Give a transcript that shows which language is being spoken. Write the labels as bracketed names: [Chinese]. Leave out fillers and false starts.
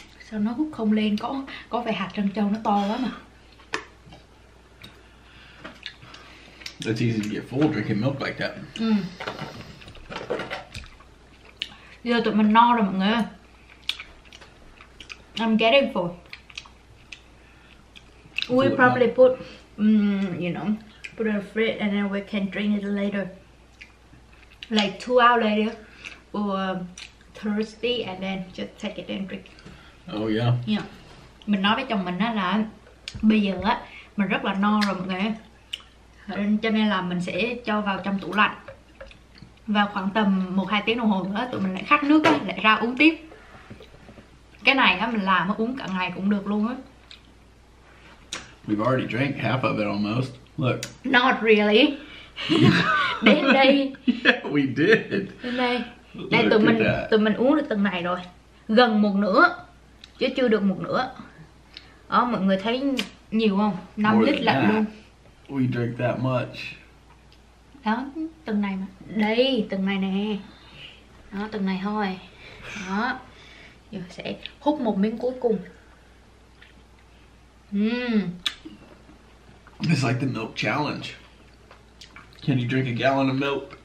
[Vietnamese] Sao nó hút không lên, có vẻ hạt trân châu nó to quá mà. [English] It's easy to get full drinking milk like that. [Vietnamese] Giờ tụi mình no rồi mọi người. [English] I'm getting full. We probably put, you know, put in the fridge and then we can drink it later. Like 2 hours later, we're thirsty and then just take it and drink. Oh yeah. Yeah. [Vietnamese] Mình nói với chồng mình á là bây giờ á mình rất là no rồi mọi người. Cho nên là mình sẽ cho vào trong tủ lạnh. Và khoảng tầm 1-2 tiếng đồng hồ nữa tụi mình lại khát nước á, lại ra uống tiếp. Cái này á mình làm uống cả ngày cũng được luôn á. [English] We've already drank half of it almost. Look. Not really. [Vietnamese] Đến đây. [English] Yeah, we did. [Vietnamese] Đến đây. Đây tụi mình uống được từng này rồi. Gần một nửa. Chứ chưa được một nửa. Đó, mọi người thấy nhiều không? 5 lít lận luôn. [English] We drink that much. [Vietnamese] Đó, từng này mà. Đây, từng này nè. Đó, từng này thôi. Đó. Giờ sẽ hút một miếng cuối cùng. [English] It's like the milk challenge. Can you drink a gallon of milk?